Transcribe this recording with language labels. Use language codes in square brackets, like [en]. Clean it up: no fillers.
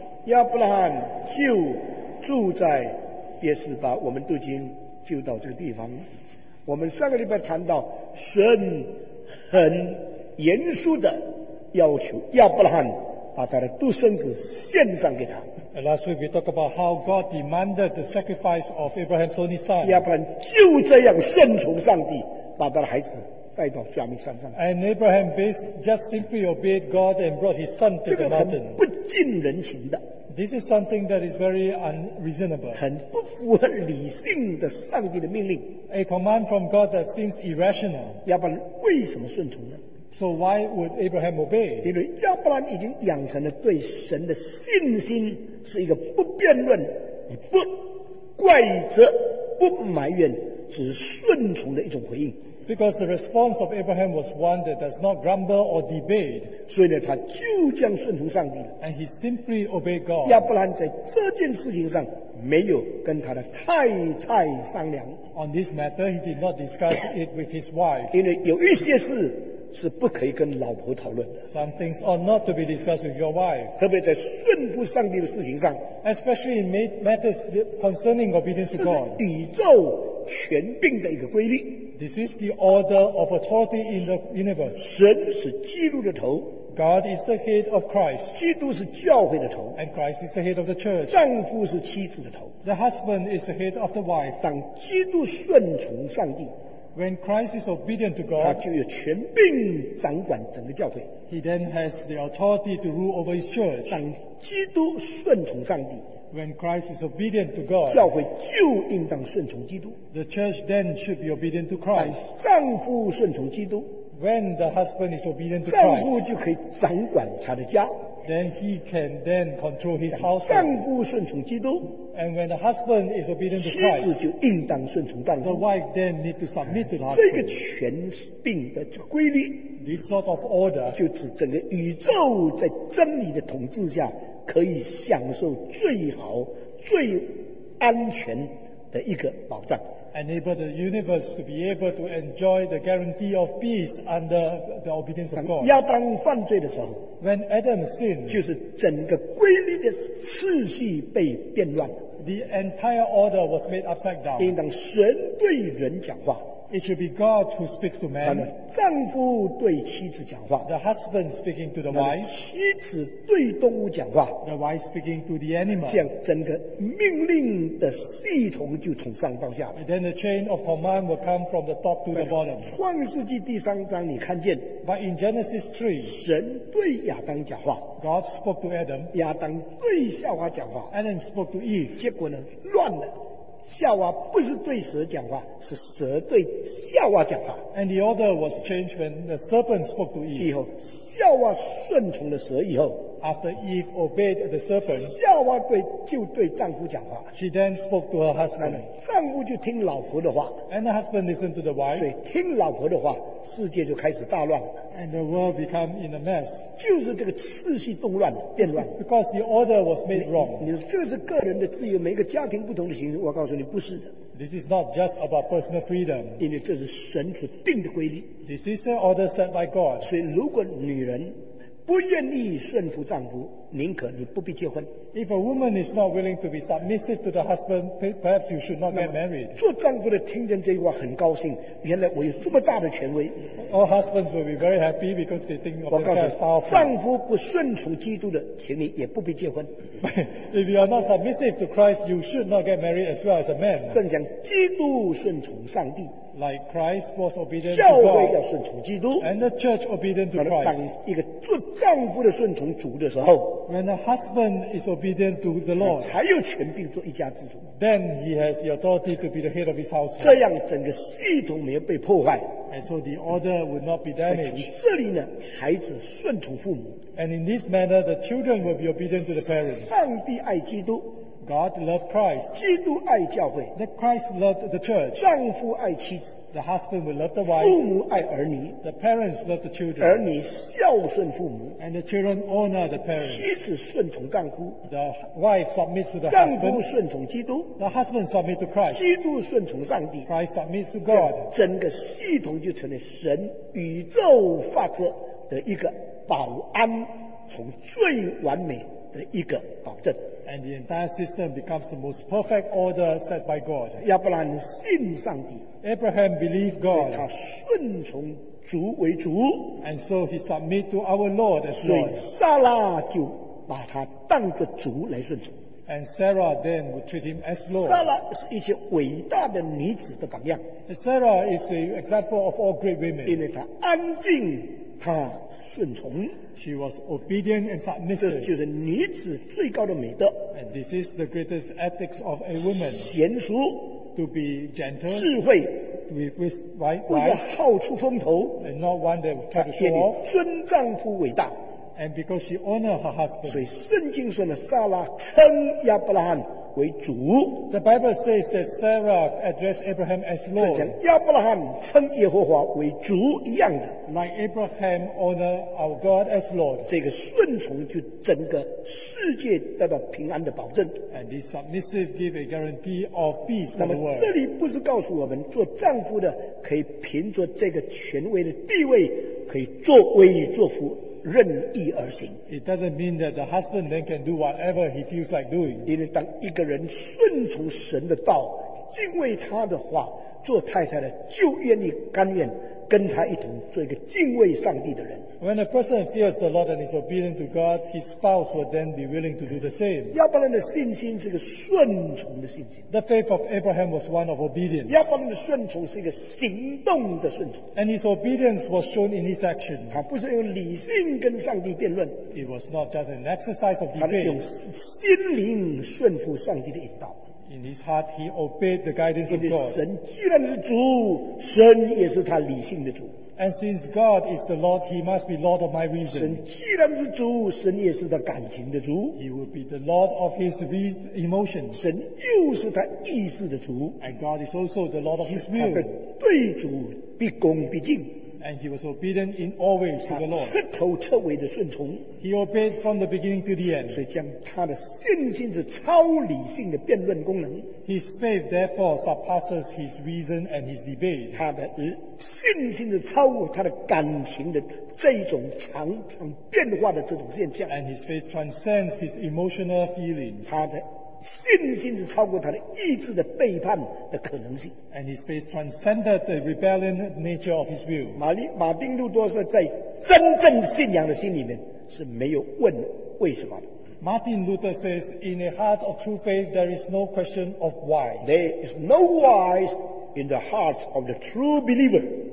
[zh] 亚伯拉罕就住在别示巴。我们读经就到这个地方。我们上个礼拜谈到神很严肃的要求亚伯拉罕把他的独生子献上给他。 [en] Last week we talked about how God demanded the sacrifice of Abraham's only son. [zh] 亚伯兰就这样顺从上帝，把他的孩子带到加密山上。 [en] And Abraham just simply obeyed God and brought his son to the mountain. [zh] 这个很不近人情的。 [en] This is something that is very unreasonable. [zh] 很不符合理性的上帝的命令。 [en] A command from God that seems irrational. [zh] 亚伯兰为什么顺从呢？ [en] So why would Abraham obey? [zh] 因为亚伯兰已经养成了对神的信心，是一个不辩论、不怪责、不埋怨，只顺从的一种回应。 [en] Because the response of Abraham was one that does not grumble or debate. [zh] 所以呢，他就这样顺从上帝。 [en] And he simply obeyed God. [zh] 亚伯兰在这件事情上没有跟他的太太商量。 [en] On this matter, he did not discuss it with his wife. [zh] 因为有一些事是不可以跟老婆讨论的。 [en] Some things are not to be discussed with your wife. [zh] 特别在顺服上帝的事情上。 [en] Especially in matters concerning obedience to God. [zh] 宇宙权柄的一个规律。 [en] This is the order of authority in the universe. [zh] 神是基督的头。 [en] God is the head of Christ. [zh] 基督是教会的头。 [en] And Christ is the head of the church. [zh] 丈夫是妻子的头。 [en] The husband is the head of the wife. [zh] 当基督顺从上帝， [en] When Christ is obedient to God, [zh] 他就有权柄掌管整个教会。 [en] He then has the authority to rule over his church. [zh] 当基督顺从上帝， [en] When Christ is obedient to God, [zh] 教会就应当顺从基督。 [en] The church then should be obedient to Christ. [zh] 当丈夫顺从基督， [en] when the husband is obedient to [zh] Christ, 丈夫就可以掌管他的家。 [en] Then he can then control his household. [zh] 丈夫顺从基督。 [en] And when the husband is obedient to Christ, [zh] 妻子就应当顺从丈夫。 [en] The wife then need to submit to the husband. [zh] 这个权柄的规律， [en] this sort of order, [zh] 就是整个宇宙在真理的统治下可以享受最好、最安全的一个保障。 [en] Enable the universe to be able to enjoy the guarantee of peace under the obedience of God. [zh] 亚当犯罪的时候， [en] when Adam sinned, [zh] 就是整个规律的次序被变乱了。 [en] The entire order was made upside down. [zh] 应当神对人讲话。 [en] It should be God who speaks to man. [zh] 丈夫对妻子讲话。 [en] The husband speaking to the wife. [zh] 妻子对动物讲话。 [en] The wife speaking to the animal. [zh] 这样整个命令的系统就从上到下了。 [en] And then the chain of command will come from the top to the bottom. [zh] 创世纪第三章你看见。 [en] But in Genesis 3, [zh] 神对亚当讲话。 [en] God spoke to Adam. [zh] 亚当对夏娃讲话。 [en] Adam spoke to Eve. [zh] 结果呢，乱了。夏娃不是对蛇讲话，是蛇对夏娃讲话。 [en] And the order was changed when the serpent spoke to Eve. [zh] 以后，夏娃顺从了蛇以后， [en] after Eve obeyed the serpent, [zh] 夏娃就对丈夫讲话。 [en] She then spoke to her husband. [zh] 丈夫就听老婆的话。 [en] And the husband listened to the wife. [zh] 所以听老婆的话，世界就开始大乱了。 [en] And the world became in a mess. [zh] 就是这个次序动乱变乱。 [en] Because the order was made wrong. [zh] 你说这是个人的自由，每个家庭不同的行为，我告诉你不是的。 [en] This is not just about personal freedom. [zh] 因为这是神所定的规律。 [en] This is an order set by God. [zh] 所以如果女人不愿意顺服丈夫，宁可你不必结婚。 [en] If a woman is not willing to be submissive to the husband, perhaps you should not get married. [zh] 做丈夫的听见这句话很高兴，原来我有这么大的权威。 [en] All husbands will be very happy because they think of themselves as powerful. [zh] 丈夫不顺从基督的，请你也不必结婚。 [en] If you are not submissive to Christ, you should not get married as well as a man. [zh] 正讲基督顺从上帝。 [en] Like Christ was obedient to God, [zh] 教会要顺从基督。 [en] And the church obedient to Christ. [zh] 当一个做丈夫的顺从主的时候， [en] when a husband is obedient to the Lord, [zh] 才有权柄做一家之主。 [en] Then he has the authority to be the head of his household. [zh] 这样整个系统没有被破坏。 [en] And so the order would not be damaged. [zh] 从这里呢，孩子顺从父母。 [en] And in this manner, the children will be obedient to the parents. [zh] 上帝爱基督。 [en] God loved Christ. [zh] 基督爱教会。 [en] That Christ loved the church. [zh] 丈夫爱妻子。 [en] The husband will love the wife. [zh] 父母爱儿女。 [en] The parents love the children. [zh] 儿女孝顺父母。 [en] And the children honor the parents. [zh] 妻子顺从丈夫。 [en] The wife submits to the husband. [zh] 夫顺从基督。 [en] The husband submits to Christ. [zh] 基督顺从上帝。 [en] Christ submits to God. [zh] 整个系统就成了神宇宙法则的一个保安，从最完美的一个保证。 [en] And the entire system becomes the most perfect order set by God. [zh] 亚伯兰信上帝。 [en] Abraham believed God. [zh] 所以他顺从主为主。 [en] And so he submit to our Lord as Lord. [zh] 所以撒拉就把他当作主来顺从。 [en] And Sarah then would treat him as Lord. [zh] 撒拉是一些伟大的女子的榜样。 [en] Sarah is an example of all great women. [zh] 因为她安静，她顺从。 [en] She was obedient and submissive. [zh] 这就是女子最高的美德。 [en] And this is the greatest ethics of a woman. [zh] 贤淑， [en] to be gentle, [zh] 智慧， [en] to be wise, [zh] 不要好出风头， [en] and not one that try to show off. [zh] 尊丈夫伟大， [en] and because she honored her husband. [zh] 所以圣经说呢，撒拉称亚伯拉罕为主。 [en] The Bible says that Sarah addressed Abraham as Lord. [zh] 像亚伯拉罕称耶和华为主一样的。 [en] Like Abraham honored our God as Lord. [zh] 这个顺从就整个世界得到平安的保证。 [en] And this submissive gave a guarantee of peace in the world. [zh] 那么这里不是告诉我们，做丈夫的可以凭着这个权威的地位，可以作威作福。任意而行。 [en] It doesn't mean that the husband then can do whatever he feels like doing. [zh] 因为当一个人顺从神的道，敬畏他的话，做太太的就愿意甘愿跟他一同做一个敬畏上帝的人。 [en] When a person fears the Lord and is obedient to God, his spouse will then be willing to do the same. [zh] 亚伯兰的信心是一个顺从的信心。 [en] The faith of Abraham was one of obedience. [zh] 亚伯兰的顺从是一个行动的顺从。 [en] And his obedience was shown in his action. [zh] 他不是用理性跟上帝辩论。 [en] It was not just an exercise of debate. [zh] 他用心灵顺服上帝的引导。 [en] In his heart, he obeyed the guidance of God. [zh] 神既然是主，神也是他理性的主。 [en] And since God is the Lord, He must be Lord of my reason. [zh] 神既然是主，神也是他感情的主。 [en] He will be the Lord of his emotions. [zh] 神又是他意志的主。 [en] And God is also the Lord of his will. [zh] 他的对主必恭必敬。 [en] And he was obedient in all ways to the Lord. [zh] 彻头彻尾的顺从。 [en] He obeyed from the beginning to the end. [zh] 所以将他的信心是超理性的辩论功能。 [en] His faith therefore surpasses his reason and his debate. [zh] 他的信心是超过他的感情的这种常常变化的这种现象。 [en] And his faith transcends his emotional feelings. [zh] 他的信心是超过他的意志的背叛的可能性。 [en] And his faith transcended the rebellion nature of his will. [zh] 马丁路多说，在真正信仰的心里面是没有问为什么的。 [en] Martin Luther says, in a heart of true faith, there is no question of why. There is no why in the heart of the true believer.